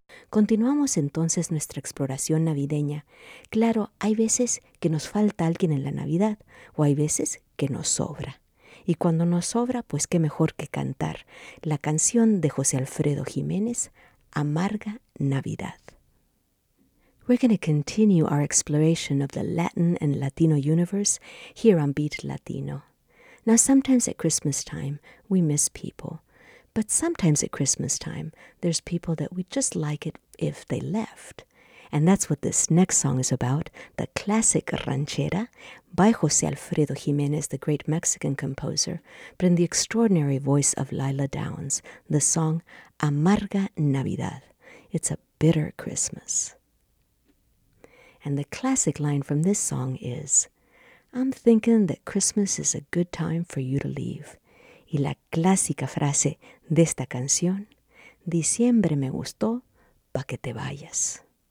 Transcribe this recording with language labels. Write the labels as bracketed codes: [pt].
[es] Continuamos entonces nuestra exploración navideña. Claro, hay veces que nos falta alguien en la Navidad, o hay veces que nos sobra. Y cuando nos sobra, pues qué mejor que cantar la canción de José Alfredo Jiménez, Amarga Navidad. [en] We're going to continue our exploration of the Latin and Latino universe here on Beat Latino. Now, sometimes at Christmas time, we miss people. But sometimes at Christmas time, there's people that we'd just like it if they left. And that's what this next song is about, the classic ranchera by José Alfredo Jiménez, the great Mexican composer, but in the extraordinary voice of Lila Downs, the song Amarga Navidad. It's a bitter Christmas. And the classic line from this song is, I'm thinking that Christmas is a good time for you to leave. [es] Y la clásica frase de esta canción, Diciembre me gustó pa' que te vayas.